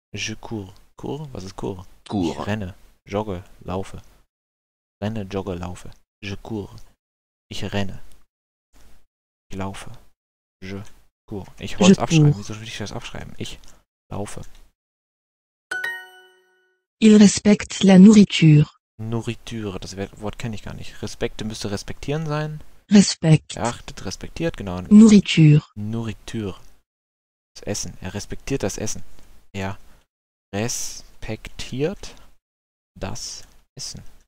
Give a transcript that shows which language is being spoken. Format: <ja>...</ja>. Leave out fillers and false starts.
<fr>Je cours. Cours?</fr> <de>Was ist</de> <fr>cours? Cours.</fr> <de>Ich renne. Jogge. Laufe. Renne, jogge, laufe.</de> <fr>Je cours.</fr> <de>Ich renne. Ich laufe. Je cours. Ich wollte es abschreiben. Wieso will ich das abschreiben? Ich laufe.</de> <fr>Il respecte la nourriture.</fr> <de>Nourriture, das Wort kenne ich gar nicht. Respekte müsste respektieren sein. Respekt. Erachtet, respektiert, genau.</de> <fr>Nourriture.</fr> <de>Nourriture. Das Essen. Er respektiert das Essen. Er respektiert das Essen.</de>